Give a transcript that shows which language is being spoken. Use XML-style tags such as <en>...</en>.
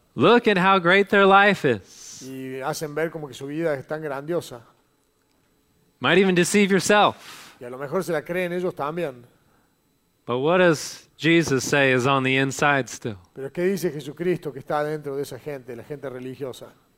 <en>Look at how great their life is.</en> <es>Y hacen ver como que su vida es tan grandiosa.</es> <en>Might even deceive yourself.</en> <es>Y a lo mejor se la creen ellos también.</es> <en>But what does Jesus say is on the inside still?</en> <es>Pero ¿qué dice Jesucristo que está dentro de esa gente, la gente religiosa?</es>